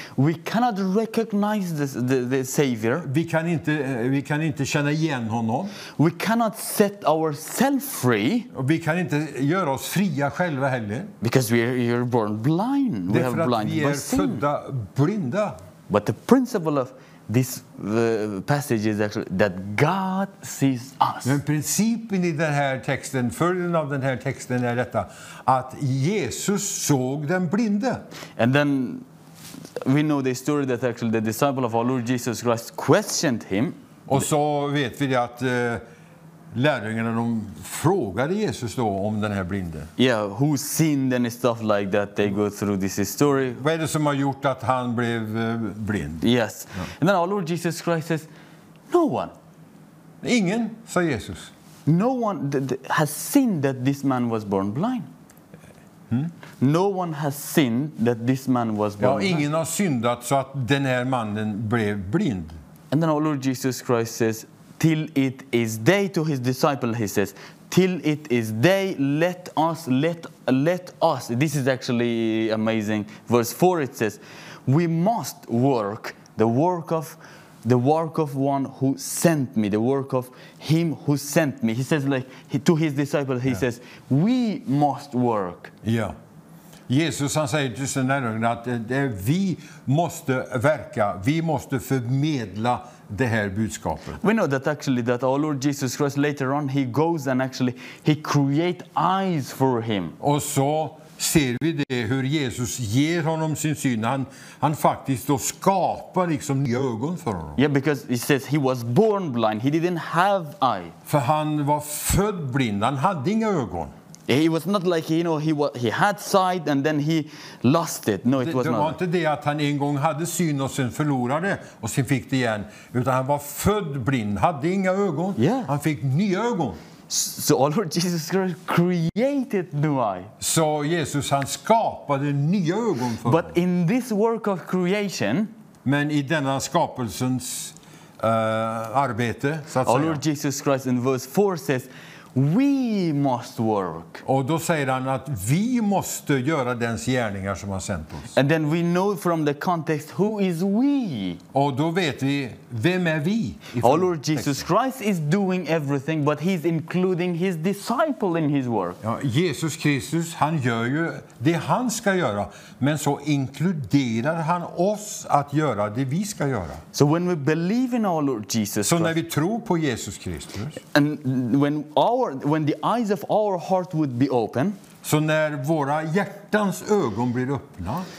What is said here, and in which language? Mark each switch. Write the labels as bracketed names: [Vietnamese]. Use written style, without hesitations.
[English] We cannot recognize the Savior. [Swedish] Vi kan inte känna igen honom. [English] We cannot set ourselves free. [Swedish] Och vi kan inte göra oss fria själva heller. [English] Because we are born blind. [Swedish] Det är för att vi är födda blinda. [English] But the principle of this passage is actually that God sees us. [Swedish] Men principen i den här texten, följden av den här texten är detta, att Jesus såg den blinde. [English] And then we know the story that actually the disciple of our Lord Jesus Christ questioned him. [Swedish] Och så vet vi att lärjungarna, de frågade Jesus då om den här blinde. [English] Yeah, who sinned and stuff like that, they go through this story. [Swedish] Vad är det som har gjort att han blev blind? [English] Yes. Yeah. And then our Lord Jesus Christ says, no one. [Swedish] Ingen, sa Jesus. [English] No one has sinned that this man was born blind. No one has sinned that this man was born blind. [Swedish] Ja, ingen har syndat så att den här mannen blev blind. [English] And then our Lord Jesus Christ says, till it is day, to his disciple, he says, till it is day, let us, this is actually amazing. Verse 4, it says, we must work the work of one who sent me, the work of him who sent me. He says, like, to his disciples, he says, we must work. Yeah. [Swedish] Jesus, han säger till sina lärjungar att vi måste verka, vi måste förmedla det här budskapet. [English] We know that actually that our Lord Jesus Christ later on he goes and actually he create eyes for him. [Swedish] Och så ser vi det hur Jesus ger honom sin syn. Han faktiskt då skapar liksom nya ögon för honom. [English] Yeah, because he says he was born blind, he didn't have eye. [Swedish] För han var född blind, han hade inga ögon. [English] He was not like, you know, he had sight and then he lost it. No, it was not. [Swedish] Det var inte det att han en gång hade syn och sen förlorade och sen fick det igen. Utan han var född blind, hade inga ögon. [English] Yeah. [Swedish] Han fick nya ögon. [English] So our Lord Jesus Christ created new eyes. [Swedish] Så Jesus, han skapade nya ögon för. [English] But in this work of creation, [Swedish] men i denna skapelsens arbete, så att säga. [English] Our Lord Jesus Christ in verse 4 says, we must work. [Swedish] Och då säger han att vi måste göra dens gärningar som har sänt oss. [English] And then we know from the context who is we. [Swedish] Och då vet vi vem är vi. [English] Our Lord Jesus Christ is doing everything, but he's including his disciple in his work. [Swedish] Ja, Jesus Kristus, han gör ju det han ska göra, men så inkluderar han oss att göra det vi ska göra. [English] So when we believe in our Lord Jesus. [Swedish] Så när vi tror på Jesus Kristus. [English] And when the eyes of our heart would be open, [Swedish] så när våra hjärtans ögon blir öppna,